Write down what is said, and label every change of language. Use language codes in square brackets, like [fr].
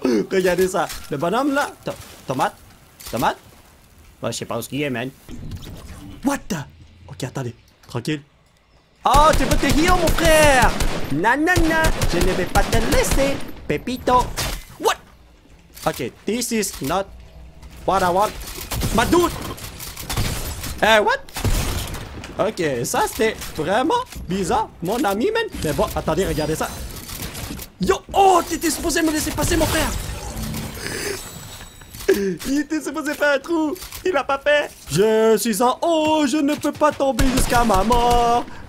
[fr] Regardez ça. Le bonhomme là. Tomate? Ouais, je sais pas où ce qu'il est, man. [en] What the? [fr] Ok, attendez. Tranquille. Oh, tu veux te heal, mon frère? Nanana, je ne vais pas te laisser. [en] Pepito. What? Ok, this is not what I want. Ma dude! What? [fr] Ok, ça c'était vraiment bizarre, mon ami, man. Mais bon, attendez, regardez ça. Yo, oh, t'étais supposé me laisser passer, mon frère. Il était supposé faire un trou, il l'a pas fait. Je suis en haut, je ne peux pas tomber jusqu'à ma mort.